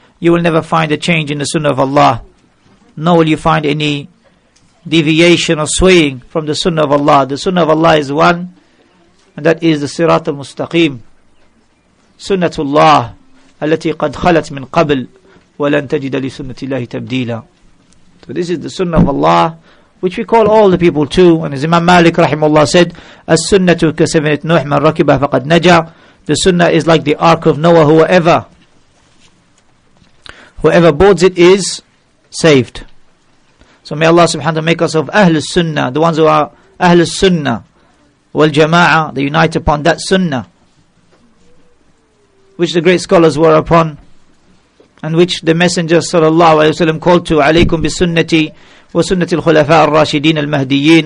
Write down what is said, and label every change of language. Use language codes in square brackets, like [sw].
[en] You will never find a change in the sunnah of Allah, nor will you find any deviation or swaying from the sunnah of Allah. The sunnah of Allah is one, and that is the Sirat al-Mustaqim, Sunnatullah, [ar] التي قد خلت من قبل وَلَن تَجِدَ لِسُنَّةِ اللَّهِ تَبْدِيلًا. [en] So this is the sunnah of Allah, which we call all the people to. And as Imam Malik rahimullah said, [ar] السُنَّةُ كَسَفِنَةِ نُوح مَنْ رَكِبَهَ فَقَدْ نَجَى. [en] The sunnah is like the ark of Noah, whoever boards it is saved. So may Allah subhanahu wa ta'ala make us of Ahlul Sunnah, the ones who are Ahlul Sunnah وَالْجَمَاعَ, they unite upon that sunnah, which the great scholars were upon, and which the Messenger sallallahu alayhi wa sallam called to, [ar] عَلَيْكُمْ بِسُنَّةِ وَسُنَّةِ الْخُلَفَاءَ الرَّاشِدِينَ الْمَهْدِيِّينَ.